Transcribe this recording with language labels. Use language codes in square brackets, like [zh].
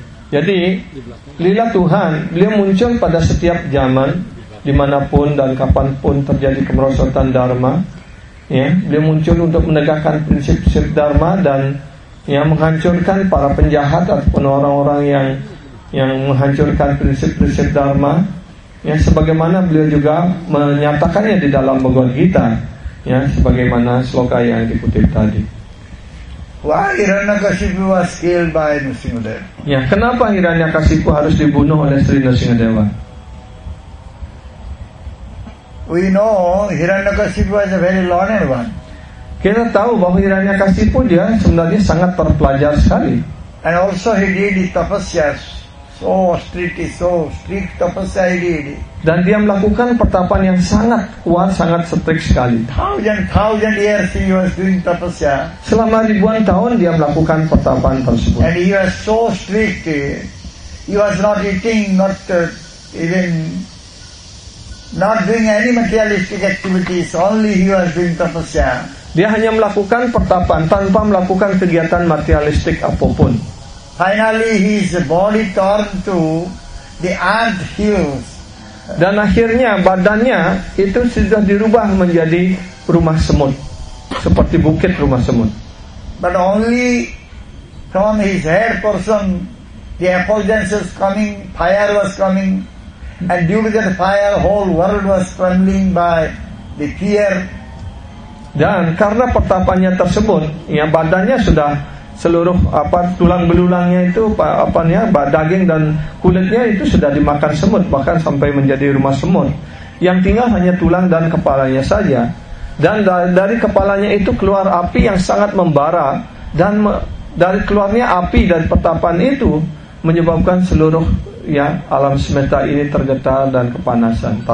[id] Jadi lila Tuhan beliau muncul pada setiap zaman, dimanapun dan kapanpun terjadi kemerosotan dharma, ya, beliau muncul untuk menegakkan prinsip-prinsip dharma dan yang menghancurkan para penjahat ataupun orang-orang yang menghancurkan prinsip-prinsip dharma, ya, sebagaimana beliau juga menyatakannya di dalam Bhagavad Gita, ya, sebagaimana sloka yang dikutip tadi. [en] Why Hiranyakasipu was killed by Nrisimhadeva? [id] Ya, kenapa Hiranyakasipu harus dibunuh oleh Sri Nrisimhadeva? [en] We know Hiranyakasipu was a very learned one. [id] Kita tahu bahwa Hiranyakasipu dia sebenarnya sangat terpelajar sekali. [en] And also he did his tapasya, so strict tapasya he did. [id] Dan dia melakukan pertapaan yang sangat kuat, sangat strict sekali. [en] Thousand years he was doing tapasya. [id] Selama ribuan tahun dia melakukan pertapaan tersebut. [en] And he was so strict. He was not eating, not doing any materialistic activities. Only he was doing tapasya. [id] Dia hanya melakukan pertapaan tanpa melakukan kegiatan materialistik apapun. [en] Finally, his body turned to the ant hills. [id] Dan akhirnya badannya itu sudah dirubah menjadi rumah semut, seperti bukit rumah semut. [en] But only from his head portion, the effulgence was coming, fire was coming, and due to that fire, whole world was trembling by the fear. [id] Dan karena pertapaannya tersebut, ya, badannya sudah seluruh tulang belulangnya itu daging dan kulitnya itu sudah dimakan semut, bahkan sampai menjadi rumah semut. Yang tinggal hanya tulang dan kepalanya saja. Dan dari kepalanya itu keluar api yang sangat membara, dan dari keluarnya api dari pertapaan itu menyebabkan seluruh ya alam semesta ini tergetar dan kepanasan,